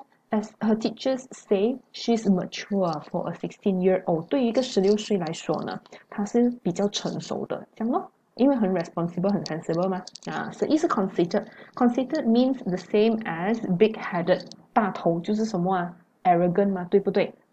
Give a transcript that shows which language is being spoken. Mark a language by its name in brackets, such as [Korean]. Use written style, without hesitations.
[English] Her teachers say she's mature for a 16-year-old。 [Chinese] 对于一个16岁来说呢，她是比较成熟的，这样咯。因为很 responsible 很 sensible 嘛，所以是 [English] considered means the same as big headed [Chinese] 大头就是什么啊 arrogant 嘛，对不对？